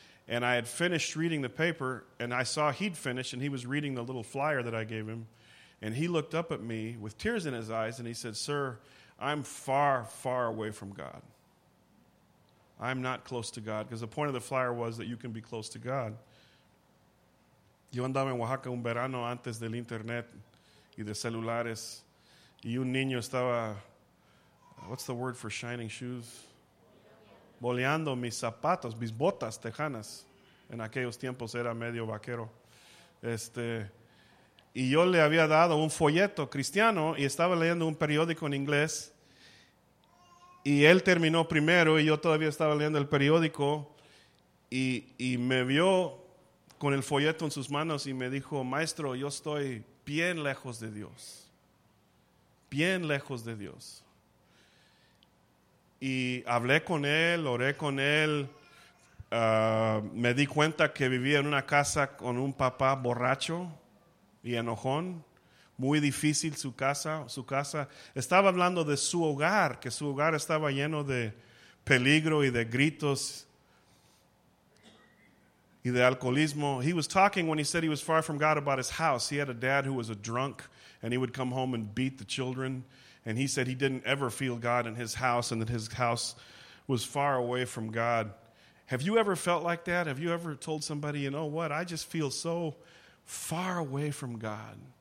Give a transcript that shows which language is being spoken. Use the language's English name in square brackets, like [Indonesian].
[English] And I had finished reading the paper, and I saw he'd finished, and he was reading the little flyer that I gave him. And he looked up at me with tears in his eyes and he said, "Sir, I'm far, far away from God. I'm not close to God." Because the point of the flyer was that you can be close to God. [Spanish] Yo andaba en Oaxaca un verano antes del internet y de celulares. Y un niño estaba, [English] what's the word for shining shoes? [Spanish] Boleando mis zapatos, mis botas tejanas. En aquellos tiempos era medio vaquero. Y yo le había dado un folleto cristiano y estaba leyendo un periódico en inglés. Y él terminó primero y yo todavía estaba leyendo el periódico. Y me vio con el folleto en sus manos y me dijo, "Maestro, yo estoy bien lejos de Dios. Bien lejos de Dios." Y hablé con él, oré con él. Me di cuenta que vivía en una casa con un papá borracho. Y enojón, muy difícil su casa. Estaba hablando de su hogar, que su hogar estaba lleno de peligro y de gritos y de alcoholismo. [English] He was talking when he said he was far from God about his house. He had a dad who was a drunk and he would come home and beat the children. And he said he didn't ever feel God in his house and that his house was far away from God. Have you ever felt like that? Have you ever told somebody, you know what, I just feel so far away from God.